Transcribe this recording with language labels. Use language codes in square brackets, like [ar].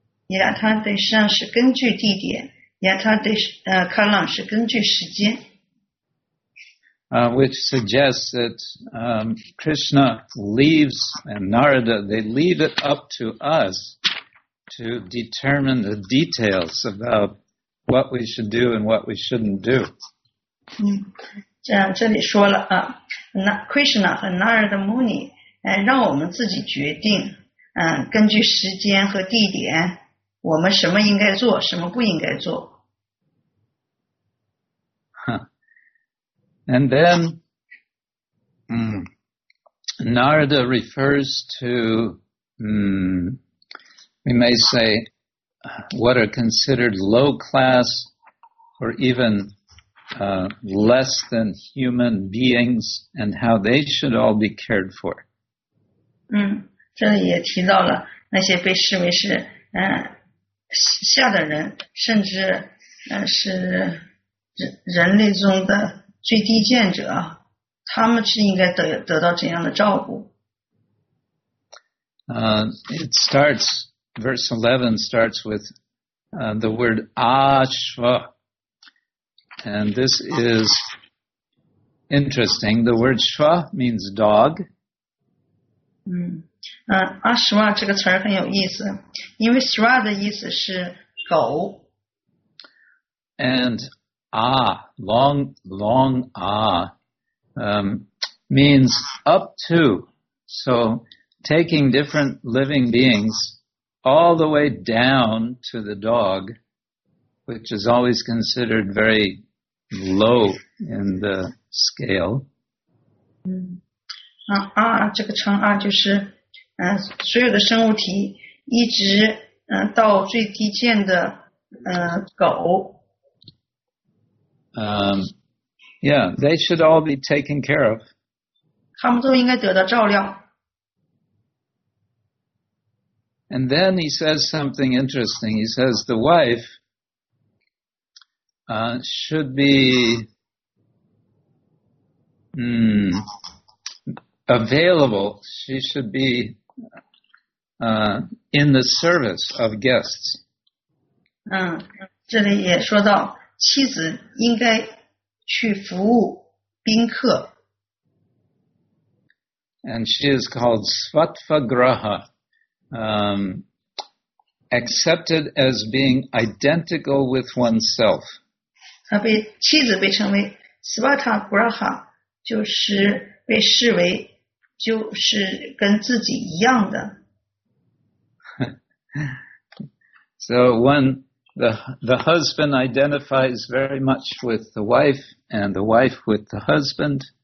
[sa] Yata desha [zh] 是根据地点， [sa] yata desha kala [zh] 是根据时间。 [en] Which suggests that Krishna leaves, and Narada, they leave it up to us to determine the details about what we should do and what we shouldn't do. [zh] 这里说了Krishna 和 Narada Muni, 让我们自己决定根据时间和地点我们什么应该做什么不应该做。 [en] And then Narada refers to, we may say, what are considered low class or even less than human beings and how they should all be cared for. [zh] 这里也提到了那些被视为是下的人甚至是人类中的最低贱者，他们是应该 得到怎样的照顾？ [en] It starts, verse 11 starts with the word ashva. And this is interesting. The word shva means dog. [zh] Ashva 这个词很有意思，因为 shva 的意思是狗。 [en] And long ah, means up to. So taking different living beings all the way down to the dog, which is always considered very low in the scale. [zh] Ah, 这个称啊就是所有的生物体一直到最低贱的狗。 [en] They should all be taken care of. [zh] 他们都应该得到照料。 [en] And then he says something interesting. He says the wife should be available. She should be in the service of guests. [zh] 这里也说到妻子应该去服务宾客。 [en] And she is called Svatvagraha, accepted as being identical with oneself. [zh] 妻子被称为 Svatvagraha, 就是被视为就是跟自己一样的。 [en] So one... The husband identifies very much with the wife, and the wife with the husband.